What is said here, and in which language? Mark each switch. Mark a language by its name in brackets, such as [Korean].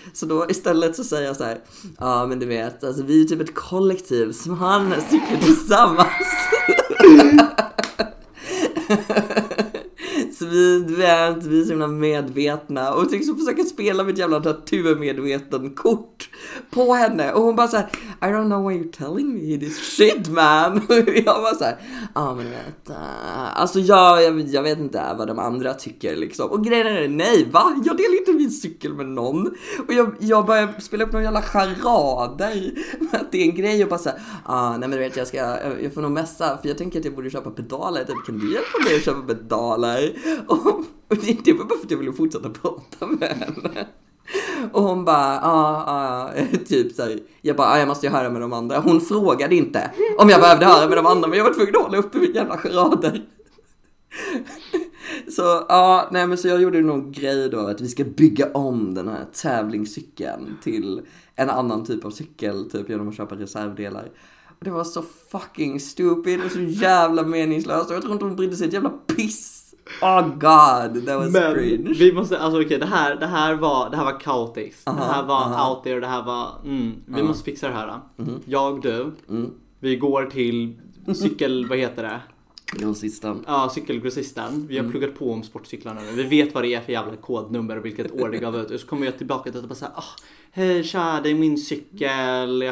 [Swedish] Så då istället så säger jag såhär, ja men du vet, alltså, vi är typ ett kollektiv som har den här cykeln tillsammans. vidvänt, vi är så himla medvetna. Och liksom försöker spela mitt jävla naturmedveten kort på henne. [English] Och hon bara så här: I don't know why you're telling me this shit, man. [Swedish] Och jag bara såhär, ja men vet, alltså jag vet inte vad de andra tycker liksom. Och grejen är, nej va, jag delar inte min cykel med någon. Och jag börjar spela upp några jävla charader. Det är en grej och bara såhär, nej men du vet, jag får nog messa. För jag tänker att jag borde köpa pedaler. Typ, kan du hjälpa mig att köpa pedaler? Och det var bara för att jag ville fortsätta prata med henne. Och hon bara, typ såhär. Jag bara, jag måste ju höra med de andra. Hon frågade inte om jag behövde höra med de andra, men jag var tvungen att hålla uppe mina jävla charader. Så nej men så jag gjorde någon grej då, att vi ska bygga om den här tävlingscykeln till en annan typ av cykel, typ genom att köpa reservdelar. Och det var så fucking stupid och så jävla meningslöst. Jag tror inte hon brydde sig ett jävla piss. [English] Oh god, that was men cringe. [Swedish] Vi måste, alltså okej, det här var kaotiskt. Uh-huh, det här var uh-huh. out there, det här var vi uh-huh. måste fixa det här. Uh-huh. Jag, du, vi går till cykel, vad heter det? Grossisten. Ja, cykelgrossisten. Vi har pluggat på om sportcyklarna nu. Vi vet vad det är för jävla kodnummer och vilket år det gav ut. Och så kommer jag tillbaka till att bara säga, hej tja, det är min cykel.